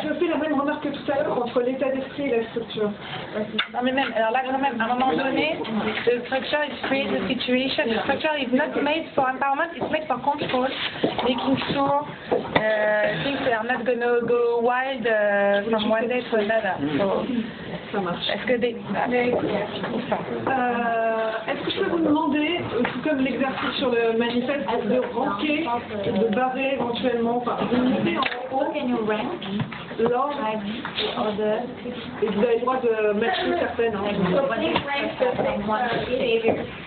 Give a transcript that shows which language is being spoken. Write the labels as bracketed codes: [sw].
[fr] Je fais la même remarque que tout à l'heure entre l'état d'esprit et la structure. Non mais même, alors là quand même, à un moment donné, [en] the structure is creating the situation. The structure is not made for empowerment, it's made for control, making sure things are not going to go wild from one day to another. So, [fr] ça marche. Est-ce que est-ce que je peux vous demander, tout comme l'exercice sur le manifeste, de ranker, de barrer éventuellement, enfin, de mettre en haut l'ordre, et vous avez le droit de matcher certaines.